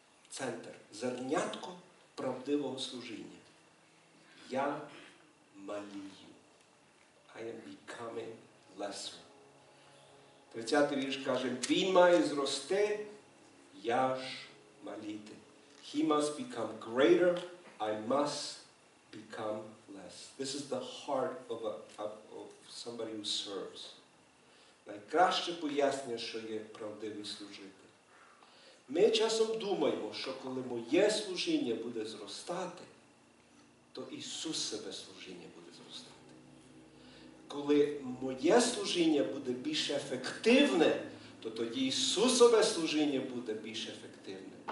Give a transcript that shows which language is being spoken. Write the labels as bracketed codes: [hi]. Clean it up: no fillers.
[uk] Центр, зернятко правдивого служіння. Я малію. [en] I am becoming lesser. [uk] 30-й вірш каже, він має зрости, я ж маліти. [en] He must become greater, I must become less. This is the heart of somebody who serves. [uk] Найкраще пояснення, що є правдивий служитель. Ми часом думаємо, що коли моє служіння буде зростати, то Ісус себе служіння буде зростати. Коли моє служіння буде більш ефективне, то тоді Ісусове служіння буде більш ефективне.